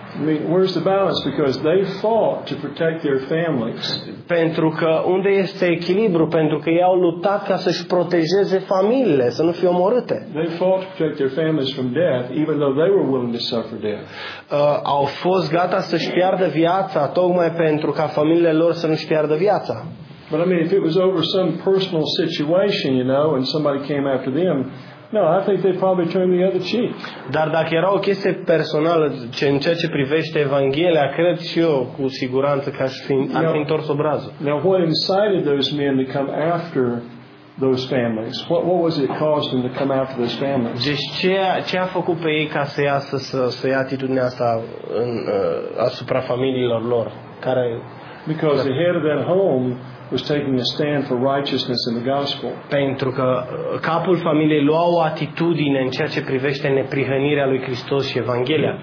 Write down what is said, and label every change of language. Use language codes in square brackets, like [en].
[en] I mean, where's the balance? Because they fought to protect their families. [ro] Pentru că unde este echilibru? Pentru că ei au luptat ca să-și protejeze familiile, să nu fie omorâte. [en] They fought to protect their families from death, even though they were willing to suffer death. [ro] Au fost gata să-și piardă viața tocmai pentru ca familiile lor să nu-și piardă viața. [en] But I mean, if it was over some personal situation, you know, and somebody came after them. No, I think they probably turned the other cheek. [ro] Dar dacă era o chestie personală, în ceea ce privește Evanghelia, cred și eu cu siguranță că ar fi întors obrazul. [en] Now, what incited those men to come after those families? What was it caused them to come after those families? [ro] Deci ce a făcut pe ei ca să iasă să ia atitudinea asta asupra familiilor lor? [en] Because the head of that home was taking a stand for righteousness in the gospel. [ro] Pentru că capul familiei lua o atitudine în ceea ce privește neprihănirea lui Hristos și Evanghelia.